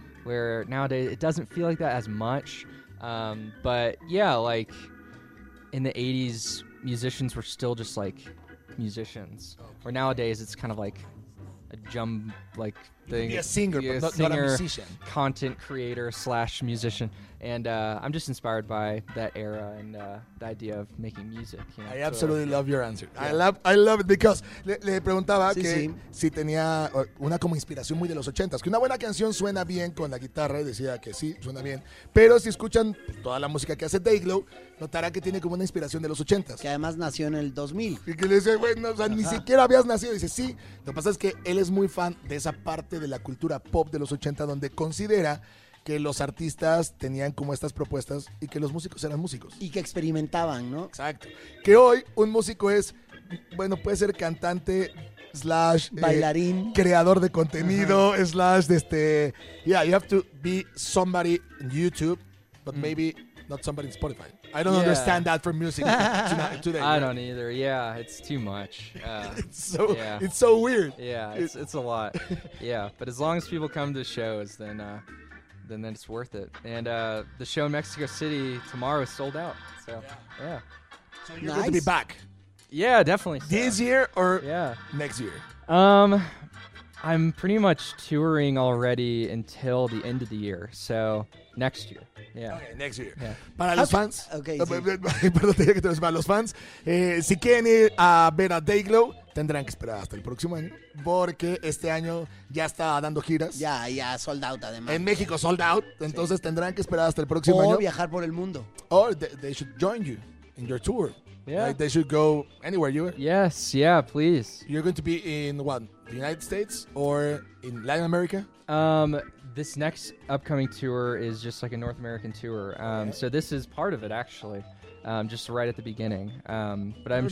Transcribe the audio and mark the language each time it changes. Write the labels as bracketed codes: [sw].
[en] Where nowadays it doesn't feel like that as much. But yeah, like in the 80s, musicians were still just like musicians. Okay. Where nowadays it's kind of like a jumb like thing. You can be a singer, but singer, not a musician. Content creator slash musician. And I'm just inspired by that era and the idea of making music. You know? I absolutely love your answer. Yeah. I love it because [es] le preguntaba sí, que sí. Si tenía una como inspiración muy de los 80s. Que una buena canción suena bien con la guitarra y decía que sí, suena bien. Pero si escuchan toda la música que hace Dayglow, notará que tiene como una inspiración de los 80s. Que además nació en el 2000. Y que le dice, bueno, o sea, ni siquiera habías nacido. Y dice, sí. Lo que pasa es que él es muy fan de esa parte de la cultura pop de los 80 donde considera que los artistas tenían como estas propuestas y que los músicos eran músicos. Y que experimentaban, ¿no? Exacto. Que hoy un músico es, bueno, puede ser cantante, slash... bailarín. Creador de contenido, uh-huh. [en] slash... Yeah, you have to be somebody on YouTube, but maybe not somebody in Spotify. I don't understand that for music today. I don't either. Yeah, it's too much. It's so weird. Yeah, it's a lot. Yeah, but as long as people come to shows, then it's worth it. And the show in Mexico City tomorrow is sold out. So yeah. So you're going to be back. Yeah, definitely. So. This year or next year? I'm pretty much touring already until the end of the year. So next year. Yeah. Okay, next year. Yeah. [es] Para los fans. [en] Okay. [es] Perdón, te dije que te para los fans. Si quieren ir a ver a Dayglo, tendrán que esperar hasta el próximo año. Porque este año ya está dando giras. Ya, [en] sold out [es] además. En México, [en] sold out. [es] Entonces tendrán que esperar hasta el próximo año. O viajar por el mundo. [en] Or they should join you in your tour. Yeah. Like they should go anywhere you are. Yes, yeah, please. You're going to be in what? The United States or in Latin America? This next upcoming tour is just like a North American tour. So this is part of it, actually. Just right at the beginning. But I'm